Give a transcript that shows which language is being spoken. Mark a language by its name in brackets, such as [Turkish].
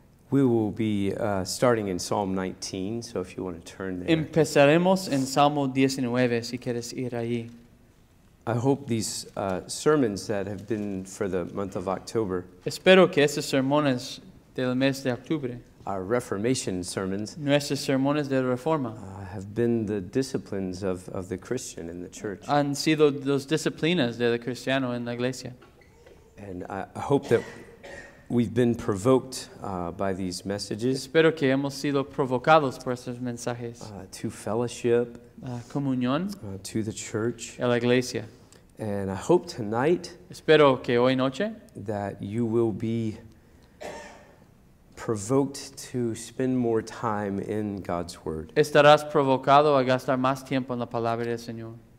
[English] We will be starting in Psalm 19, so if you want to turn there. [Spanish] Empezaremos en Salmo 19, si quieres ir allí. [English] I hope these sermons that have been for the month of October. [Spanish] Espero que estos sermones del mes de octubre. [English] Our Reformation sermons. [Spanish] Nuestros sermones de reforma. [English] Have been the disciplines of the Christian in the church. [Spanish] Han sido dos disciplinas del cristiano en la iglesia. [English] And I hope that we've been provoked by these messages. [Spanish] Espero que hemos sido provocados por estos mensajes. [English] To fellowship. [Spanish] Comunión. [English] To the church. [Spanish] A la iglesia. [English] And I hope tonight. [Spanish] Espero que hoy noche. [English] That you will be provoked to spend more time in God's word. [Spanish] Estarás provocado a gastar más tiempo en la palabra del Señor.